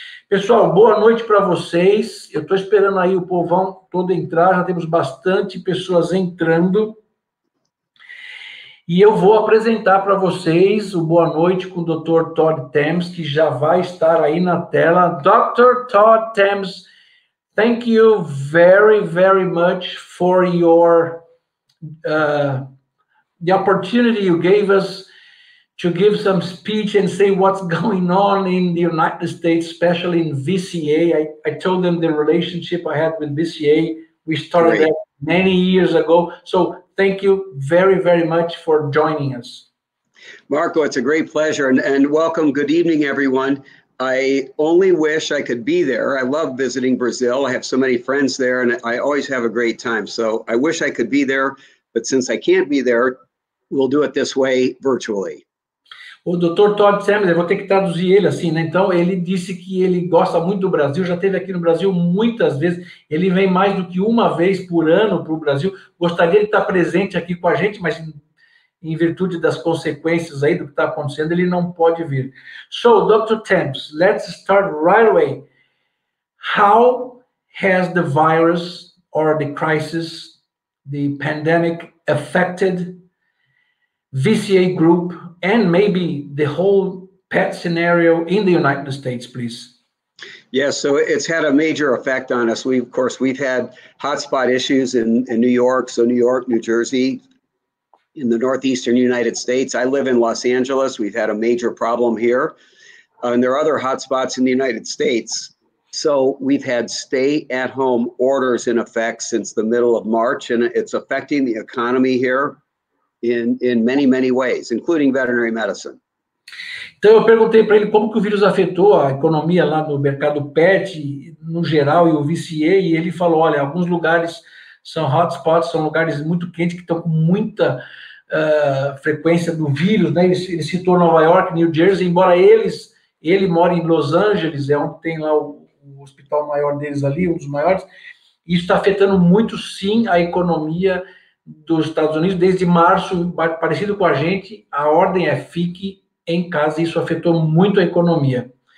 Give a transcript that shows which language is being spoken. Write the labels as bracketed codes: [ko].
[pt] Pessoal, boa noite para vocês. Eu estou esperando aí o povão todo entrar, já temos bastante pessoas entrando. E eu vou apresentar para vocês o Boa Noite com o Dr. Todd Tams, que já vai estar aí na tela. Dr. [en] Todd Tams, thank you very, very much for your the opportunity you gave us to give some speech and say what's going on in the United States, especially in VCA. I told them the relationship I had with VCA. We started that many years ago. So thank you very, very much for joining us. Marco, it's a great pleasure and welcome. Good evening, everyone. I only wish I could be there. I love visiting Brazil. I have so many friends there and I always have a great time. So I wish I could be there, but since I can't be there, we'll do it this way virtually. [pt] O Dr. Todd Tams, eu vou ter que traduzir ele assim, né? Então, ele disse que ele gosta muito do Brasil, já esteve aqui no Brasil muitas vezes, ele vem mais do que uma vez por ano para o Brasil, gostaria de estar presente aqui com a gente, mas em virtude das consequências aí do que está acontecendo, ele não pode vir. [en] So, Dr. Tams, let's start right away. How has the virus or the crisis, the pandemic affected VCA group and maybe the whole pet scenario in the United States, please? Yes, so it's had a major effect on us. We've had hotspot issues in New York, so New York, New Jersey, in the northeastern United States. I live in Los Angeles. We've had a major problem here. And there are other hotspots in the United States. So we've had stay-at-home orders in effect since the middle of March, and it's affecting the economy here in many, many ways, including veterinary medicine. [pt] Então, eu perguntei para ele como que o vírus afetou a economia lá no mercado pet, no geral, e o VCA, e ele falou, olha, alguns lugares são hotspots, são lugares muito quentes, que estão com muita frequência do vírus, né? Ele citou Nova York, New Jersey, embora ele mora em Los Angeles, é onde tem lá o hospital maior deles ali, um dos maiores, e isso está afetando muito, sim, a economia dos Estados Unidos, desde março, parecido com a gente, a ordem é fique em casa, isso afetou muito a economia.